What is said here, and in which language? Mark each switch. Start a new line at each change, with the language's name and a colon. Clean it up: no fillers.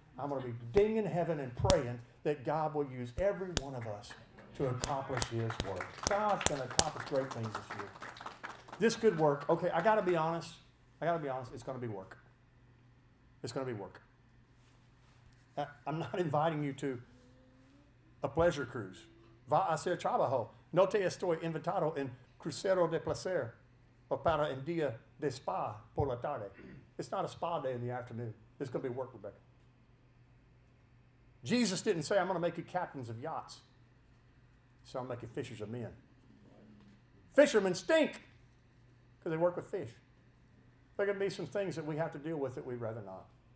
English: I'm going to be ding in heaven and praying that God will use every one of us to accomplish his work. God's going to accomplish great things this year. This good work, okay, I got to be honest, it's going to be work. It's going to be work. I'm not inviting you to a pleasure cruise.
Spanish: Va a ser trabajo. No te estoy invitado en crucero de placer o para un día de spa por la tarde.
English: It's not a spa day in the afternoon. It's going to be work, Rebecca. Jesus didn't say, I'm going to make you captains of yachts. So I'll make you fishers of men. Fishermen stink because they work with fish. There are going to be some things that we have to deal with that we'd rather not.